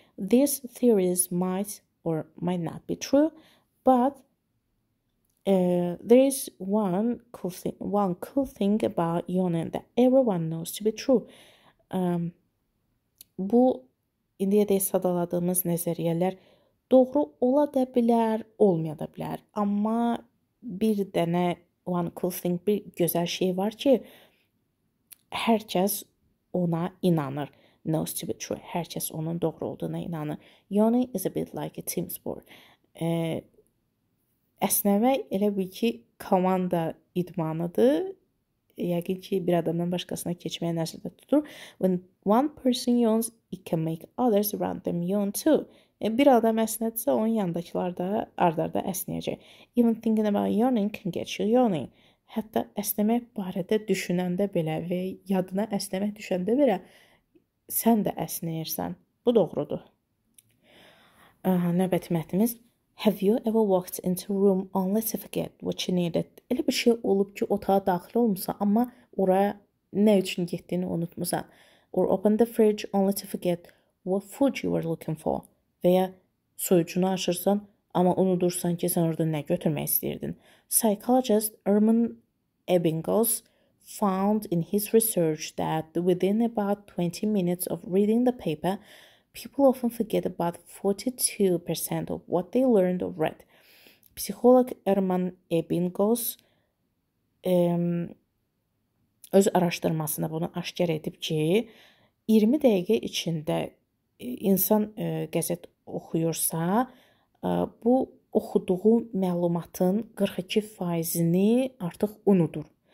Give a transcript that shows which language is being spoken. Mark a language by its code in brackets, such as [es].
[en] These theories might or might not be true, but there is one cool thing about yawning that everyone knows to be true. [az] Bu, İndiyə deyə sadaladığımız nəzəriyyələr doğru ola da bilər, olmaya da bilər. Amma bir dənə [en] one cool thing, [az] bir gözəl şey var ki, hər kəs ona inanır. [en] Knows to be true. [az] Hər kəs onun doğru olduğuna inanır. [en] Yawning is a bit like a team sport. [az] Esneme elə bil ki, komanda idmanıdır. Yəqin ki, bir adamdan başqasına keçməyə nəzərdə tutur. [en] When one person yawns, it can make others around them yawn too. [az] Bir adam əsnədirsə, onun yanındakılar da ardarda əsnəyəcək. [en] Even thinking about yawning can get you yawning. [az] Hətta əsnəmək barədə düşünəndə belə və yadına əsnəmək düşəndə belə sən də əsnəyirsən. Bu doğrudur. Növbəti mətnimiz. [en] Have you ever walked into a room only to forget what you needed? [az] Elə bir şey olub ki, otağa daxil olmuşsan, amma oraya nə üçün getdiğini unutmuşsan. [en] Or open the fridge only to forget what food you were looking for. [az] Veya soyucunu açırsan, amma unudursan ki, sən orada nə götürmək istəyirdin. [en] Psychologist Erman Ebbinghaus found in his research that within about 20 minutes of reading the paper, people often forget about 42% of what they learned or read. [az] Psixoloq Erman Ebbinghaus öz araşdırmasında bunu aşkar edib ki, 20 dəqiqə içində insan qəzet oxuyursa, bu oxuduğu məlumatın 42%-ni artıq unudur.